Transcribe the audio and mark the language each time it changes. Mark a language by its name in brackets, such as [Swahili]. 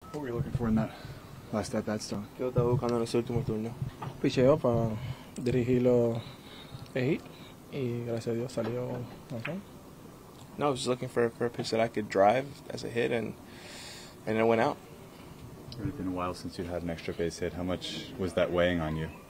[English] What were you looking for in that last at bat, Stone? [Spanish] ¿Qué estaba buscando en ese último turno? Picheo para dirigirlo a hit, y gracias a Dios salió. [English] No, I was just looking for a pitch that I could drive as a hit, and it went out. It had been a while since you had an extra base hit. How much was that weighing on you?